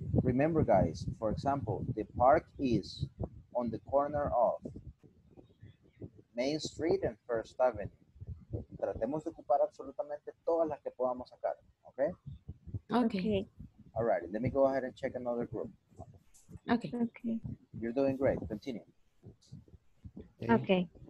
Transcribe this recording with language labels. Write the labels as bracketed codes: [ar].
[en] Remember, guys, for example, the park is on the corner of Main Street and First Avenue. [es] Tratemos de ocupar absolutamente todas las que podamos sacar, ¿ok? [en] Ok. All right, let me go ahead and check another group. Okay. Okay. You're doing great. Continue. Okay.